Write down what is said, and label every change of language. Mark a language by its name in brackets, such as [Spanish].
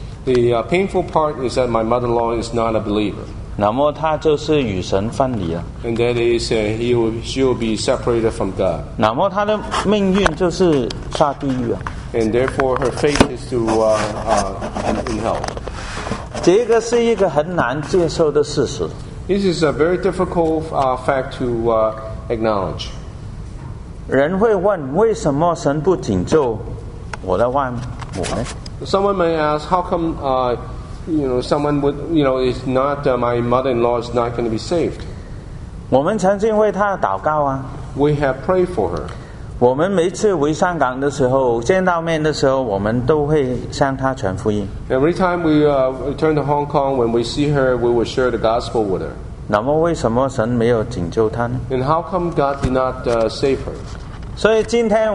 [English] The painful part is that my mother-in-law is not a believer. [Chinese] 那么她就是与神分离了。 [English] And that is she will be separated from God. [Chinese] 那么她的命运就是下地狱啊。 [English] And therefore her fate is to in hell. [Chinese] 这个是一个很难接受的事实。 [English] This is a very difficult fact to acknowledge. [Chinese] 人会问，为什么神不拯救我的外母呢？ [English] Someone may ask, how come is not my mother-in-law is not going to be saved? [Chinese] 我们曾经为她祷告啊。 [English] We have prayed for her. [Chinese] 我们每次回香港的时候，见到面的时候，我们都会向她传福音。 [English] Every time we return to Hong Kong, when we see her, we will share the gospel with her. [Chinese] 那么为什么神没有拯救他呢？ [English] And how come God did not save her?